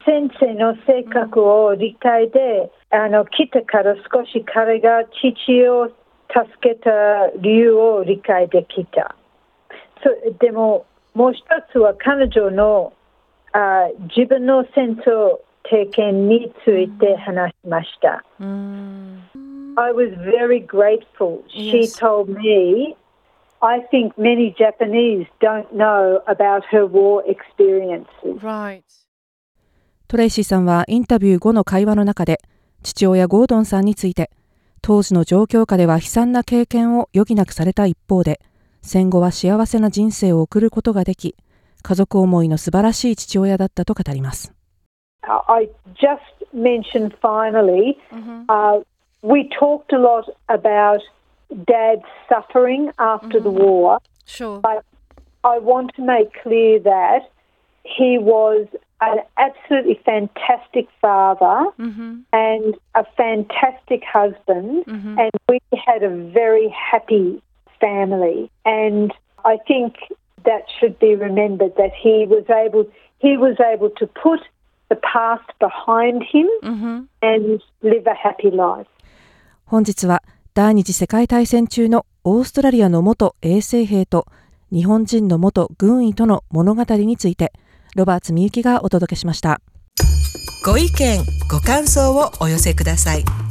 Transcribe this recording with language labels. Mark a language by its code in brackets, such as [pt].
[ja] 先生の性格を理解で、うん、来てから少し彼が父を助けた理由を理解できた。でももう一つは彼女の自分の戦争経験について話しました。うん、 [en] I was very grateful. She told me, I think many Japanese don't know about her war experiences. Right. [ja] トレイシーさんはインタビュー後の会話の中で、父親ゴードンさんについて、当時の状況下では悲惨な経験を余儀なくされた一方で、戦後は幸せな人生を送ることができ、家族思いの素晴らしい父親だったと語ります。 [en] I just mentioned finally,、mm-hmm. We talked a lot about Dad's suffering after、mm-hmm. the war. Sure. But I want to make clear that he was an absolutely fantastic father、 mm-hmm. and a fantastic husband,、mm-hmm. and we had a very happy. Family, and I think that should be remembered that he was able to put the past behind him、 mm-hmm. and live a happy life. [ja] 本日は第二次世界大戦中のオーストラリアの元衛生兵と日本人の元軍医との物語についてロバーツ美雪がお届けしました。ご意見、ご感想をお寄せください。